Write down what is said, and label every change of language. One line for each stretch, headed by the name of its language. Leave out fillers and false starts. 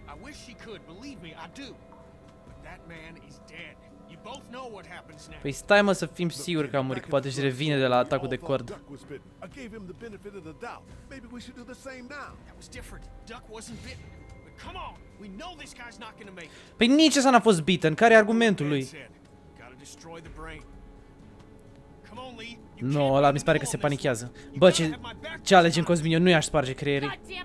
English: I wish she could, believe me, I do. But that man is dead. You both know what happens next.
Romanian: Păi stai mă să fim siguri că a murit, că poate își revine de la atacul de cord.
English: I gave him the benefit of the doubt. Maybe we should do the same now. That was different. Duck wasn't bitten. But come on, we know this guy's not gonna make it.
Romanian: Păi nici ăsta n-a fost bitten, care e argumentul lui?
English: Gotta destroy the brain. Come on, Lee.
Romanian: Nu, ăla mi se pare că se panichează. Bă, ce alegem, Cosmin? Eu nu i-aș sparge creierii.